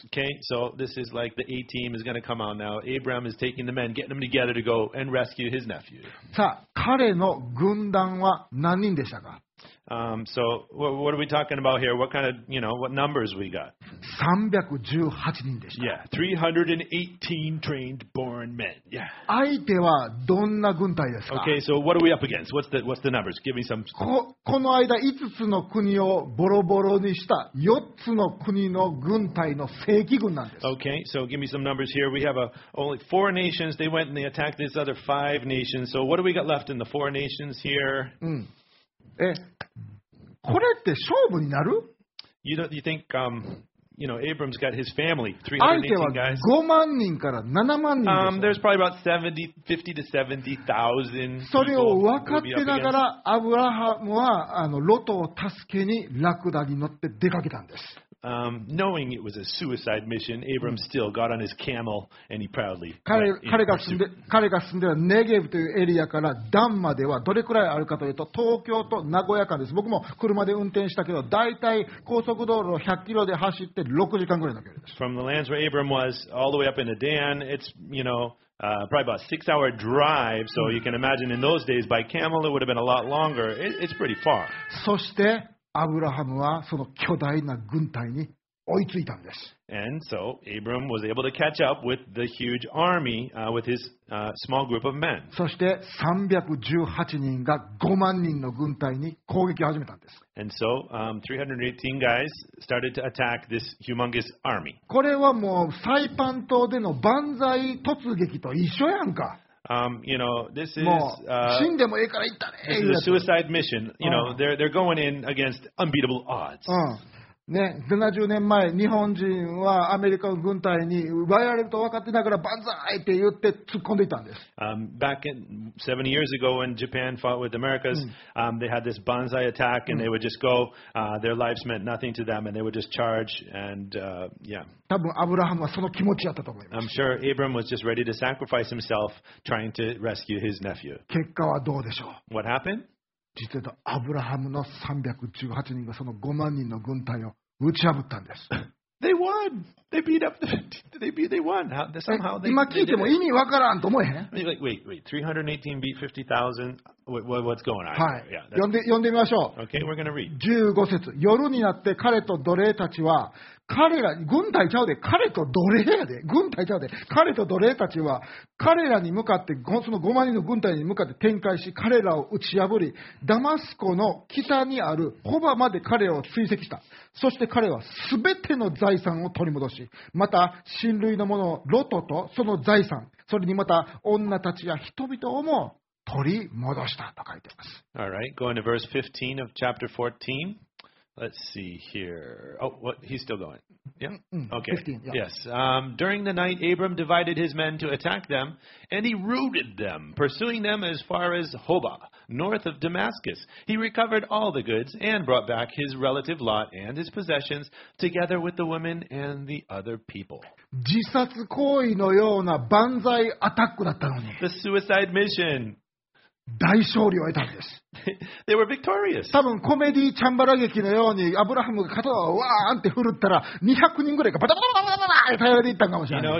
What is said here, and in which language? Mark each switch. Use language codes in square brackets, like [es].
[en] Okay, so this is like the A team is going to come out now. Abraham is taking the men, getting them together to go and rescue his nephew. [ja] さあ、彼の軍団は何人でしたか？ [en] So what are we talking about here? What kind of, you know, what numbers we got? [ja] 318人でした。 [en] Yeah, 318 trained born men. Yeah. [ja] 相手はどんな軍隊ですか？ [en] Okay, so what are we up against? What's the numbers? Give me some. [ja] この間5つの国をボロボロにした4つの国の軍隊の正規軍なんです。 [en] Okay, so give me some numbers here. We have only four nations. They went and they attacked these other five nations. So what do we got left in the four nations here? [ja] これって勝負になる？ [en] You think, you know, Abram's got his family, 318 guys. [ja] 5万人から7万人です。 [en] There's probably about 50,000 to 70,000 people. [ja] それを分かってながら、アブラハムはロトを助けにラクダに乗って出かけたんです。 [en] Knowing it was a suicide mission, Abram still got on his camel and he proudly went in pursuit. [ja] 彼が住んでいるネゲブというエリアからダンまではどれくらいあるかというと、東京と名古屋間です。僕も車で運転したけど、だいたい高速道路を100キロで走って6時間ぐらいの距離です。 [en] From the lands where Abram was, all the way up in the Dan, it's, you know,probably about a 6-hour drive, so you can imagine in those days by camel it would have been a lot longer. It's pretty far. [ja] そしてアブラハムはその巨大な軍隊に追いついたんです。 [en] And so Abram was able to catch up with the huge army, with his, small group of men. [ja] そして318人が5万人の軍隊に攻撃を始めたんです。 [en] And so, 318 guys started to attack this humongous army. [ja] これはもうサイパン島での万歳突撃と一緒やんか。 [en] You know, this is, this is a suicide mission. You know, they're going in against unbeatable odds. [ja] ね、70年前、日本人はアメリカの軍隊に奪われると分かってながら万歳って言って突っ込んでいたんです。 [en] Back in 70 years ago when Japan fought with Americas, they had this banzai attack and they would just go, their lives meant nothing to them and they would just charge and, yeah. [ja] 多分アブラハムはその気持ちだったと思います。 [en] I'm sure Abram was just ready to sacrifice himself trying to rescue his nephew. [ja] 結果はどうでしょう？ [en] What happened? [ja] 実はアブラハムの318人がその5万人の軍隊を打ち破ったんです。 [en] They won! They beat up the... They won! Somehow they [ja] 今聞いても意味わからんと思えへん。 [en] Wait. 318 beat 50,000. What's going on? [ja] はい。読んでみましょう。 [en] Okay, we're gonna read. [ja] 15節。夜になって彼と奴隷たちは、彼ら、軍隊ちゃうで、彼と奴隷やで、軍隊ちゃうで、彼と奴隷たちは、彼らに向かって、その5万人の軍隊に向かって展開し、彼らを打ち破り、ダマスコの北にあるホバまで彼を追跡した。そして彼は全ての財産を取り戻し、また、親類の者、ロトとその財産、それにまた、女たちや人々をも取り戻したと書いてます。 [en] Alright, going to verse 15 of chapter 14. Let's see here. Oh, what? He's still going. Yeah? Okay. 15, yeah. Yes. During the night, Abram divided his men to attack them, and he routed them, pursuing them as far as Hobah, north of Damascus. He recovered all the goods and brought back his relative Lot and his possessions, together with the women and the other people. [ja] 自殺行為のような万歳アタックだったのに。 [en] The suicide mission. [ja] 大勝利を得たんです。 [en] They were victorious. [ja] 多分コメディチャンバラ劇のようにアブラハムが肩をわーんって振るったら200人ぐらいがバタバタバタバタバタって頼りにいったんかもしれない。